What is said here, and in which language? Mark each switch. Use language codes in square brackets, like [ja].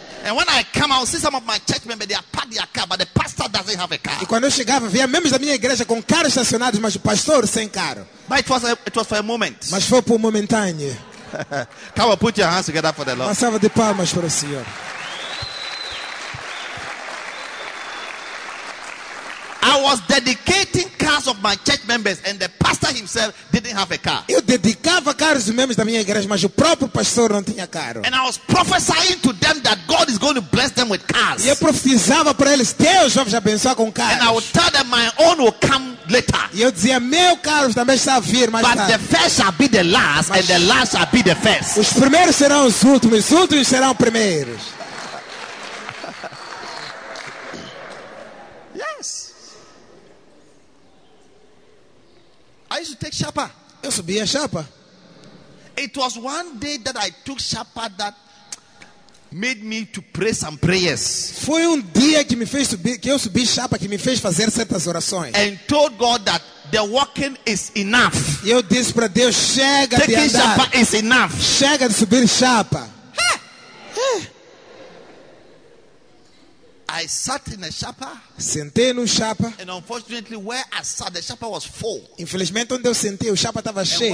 [en] And when I come out, see some of my church members, they are parked their car, but the pastor doesn't have a car. [pt] E quando eu chegava, via membros da minha igreja com carros estacionados, mas o pastor sem carro. [en] But it was for a moment. [pt] Mas foi por momentâneo. [en] Come on, put your hands together for the Lord. [pt] Uma salva de palmas para o Senhor. [en] I was dedicating cars of my church members, and the pastor himself didn't have a car. [pt] Eu dedicava carros de membros da minha igreja, mas o próprio pastor não tinha carro. [en] And I was prophesying to them that God is going to bless them with cars. [pt] E eu profetizava para eles, Deus vai abençoar com carros. [en] And I would tell them my own will come later. [pt] E eu dizia, meu carro também está a vir mais [en] but [pt] tarde. [en] The first shall be the last, mas and the last shall be the first. [pt] Os primeiros serão os últimos serão primeiros. [en] I used to take chapa. [pt] Eu subia chapa. [en] It was one day that I took chapa that made me to pray some prayers. [pt] Foi dia que me fez subir, que eu subi chapa que me fez fazer certas orações. [en] And told God that the walking is enough. [pt] Eu disse para Deus, chega [en] taking [pt] de andar. [en] Chapa is enough. [pt] Chega de subir chapa. [en] I sat in a chapa. [pt] Sentei no chapa. [en] And unfortunately, where I sat, the chapa was full. [pt] Infelizmente, onde eu sentei, o chapa estava cheio.